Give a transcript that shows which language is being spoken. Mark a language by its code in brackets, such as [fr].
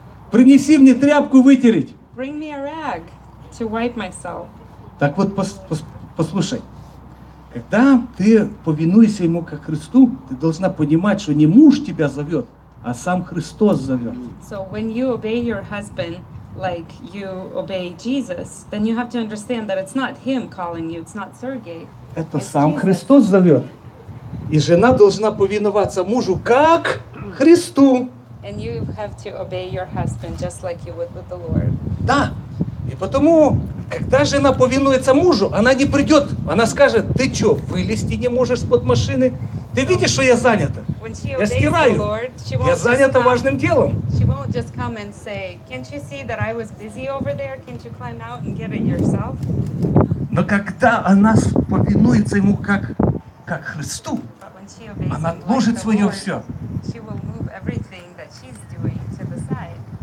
[ru] Принеси мне тряпку вытереть. [en] Bring me a rag to wipe myself. [ru] Так вот, послушай. Когда ты повинуешься Ему как Христу, ты должна понимать, что не муж тебя зовет, а сам Христос зовет. [en] So when you obey your husband like you obey Jesus, then you have to understand that it's not Him calling you, it's not Sergey. [ru] Это сам Jesus. Христос зовет. И жена должна повиноваться мужу как Христу. [en] And you have to obey your husband just like you would with the Lord. [ru] Да. И И потому, когда жена повинуется мужу, она не придет. Она скажет, ты что, вылезти не можешь из-под машины? Ты видишь, что я занята? Я стираю. Я занята важным делом. [en] She won't just come and say, can't you see that I was busy over there? Can't you climb out and get it yourself? [ru] Но когда она повинуется ему как Христу, она отложит свое все. [en] She will move everything that she's doing to the side.